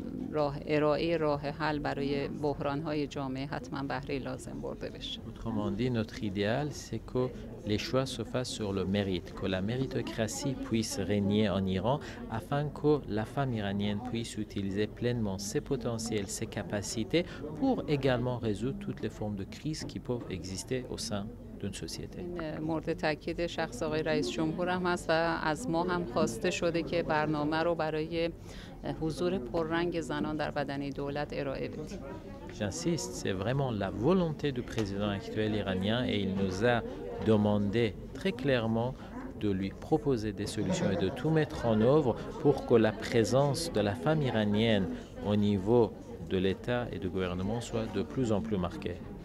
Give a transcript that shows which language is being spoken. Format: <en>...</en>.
<fa>راه ارائه راه حل برای بحران‌های جامعه حتما بهره لازم برده بشه.</fa> <fr>Autrement dit, notre idéal c'est que les choix se fassent sur le mérite, que la méritocratie puisse régner en Iran afin que la femme iranienne puisse utiliser pleinement ses potentiels, ses capacités pour également résoudre toutes les formes de crise qui peuvent exister au sein d'une société.</fr> <fa>مورد تاکید شخص آقای رئیس جمهور هم هست و از ما هم خواسته شده که برنامه رو برای حضور پررنگ زنان در بدنه دولت ارائه بدیم.</fa> <fr>J'insiste, c'est vraiment la volonté du président actuel iranien et il nous a demandé très clairement de lui proposer des solutions et de tout mettre en œuvre pour que la présence de la femme iranienne au niveau de l'État et du gouvernement soit de plus en plus marquée.</fr>